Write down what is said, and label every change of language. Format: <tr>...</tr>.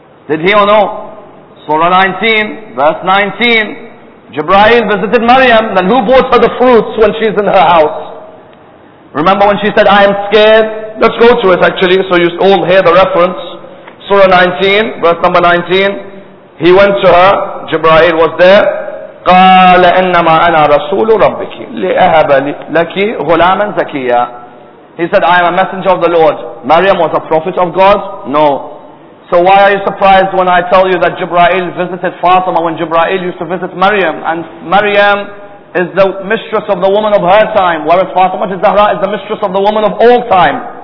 <en>Did he or no? Surah 19, verse 19. Jibra'il visited Maryam, then who brought her the fruits when she's in her house? Remember when she said, I am scared? Let's go to it actually, so you all hear the reference. Surah 19, verse number 19. He went to her, Jibra'il was there.</en> <ar>قال إنما أنا رسول ربك لأهب لك غلاما زكيا.</ar> <en>He said, I am a messenger of the Lord. Maryam was a prophet of God? No. So why are you surprised when I tell you that Jibra'il visited Fatima when Jibra'il used to visit Maryam? And Maryam is the mistress of the woman of her time, whereas Fatima al-Zahra is the mistress of the woman of all time.</en>